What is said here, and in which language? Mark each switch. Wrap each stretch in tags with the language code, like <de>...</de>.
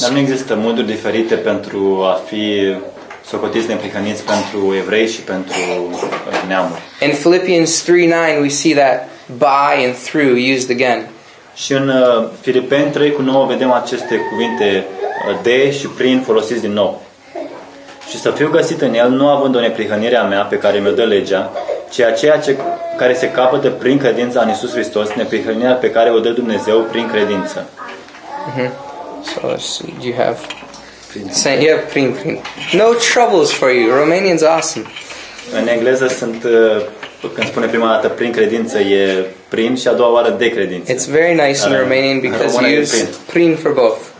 <ro>Dar nu există moduri diferite pentru a fi socotiți neprihăniți pentru evrei și pentru neamuri.</ro> <en>In Philippians 3:9 we see that by and through used again.</en> <ro>Și în Filipeni 3:9 vedem aceste cuvinte de și prin folosiți din nou. Și să fiu găsit în el, nu având o neprihănire a mea pe care mi-o dă legea, ci aceea ce care se capătă prin credința în Iisus Hristos, neprihănirea pe care o dă Dumnezeu prin credință. Mm-hmm.</ro> <en>So let's see, do you have saying, yeah, prin. No troubles for you. Romanian's awesome.</en> <ro>În engleză sunt când spune prima dată prin credință e prin și a doua oară de credință.</ro> <en>It's very nice in Romanian because you use prin for both.</en>